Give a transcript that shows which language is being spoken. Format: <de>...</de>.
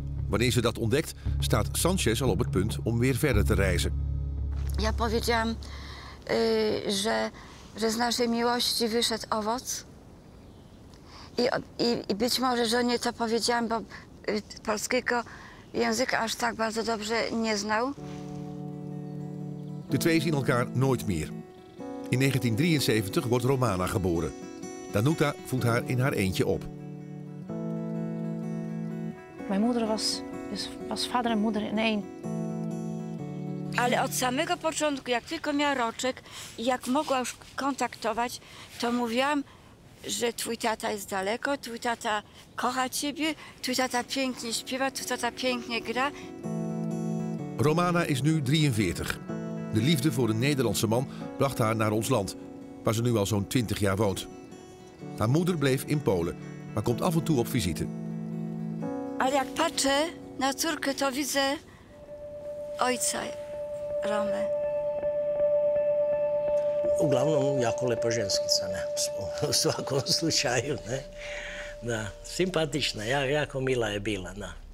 <nl>Wanneer ze dat ontdekt, staat Sanchez al op het punt om weer verder te reizen.</nl> <pl>Ja powiedziałam, że z naszej miłości wyszedł owoc. I być może żonie to powiedziałam, bo polskiego język aż tak bardzo dobrze nie znał.</pl> <nl>De twee zien elkaar nooit meer. In 1973 wordt Romana geboren. Danuta voedt haar in haar eentje op. Mijn moeder was vader en moeder in één.</nl> <pl>Ale od samego początku, jak tylko miała roczek, jak mogła już kontaktować, to mówiłam, że twój tata jest daleko, twój tata kocha ciebie, twój tata pięknie śpiewa, twój tata pięknie gra.</pl> <nl>Romana is nu 43. De liefde voor een Nederlandse man bracht haar naar ons land, waar ze nu al zo'n 20 jaar woont. Haar moeder bleef in Polen, maar komt af en toe op visite.</nl> <pl>Ale jak patrzę na córkę, to widzę ojca Romy.</pl> <hr>Uglavnom jako lepa ženskica, ne? U svakom slučaju, ne? Da, simpatična, jako mila je bila, da.</hr>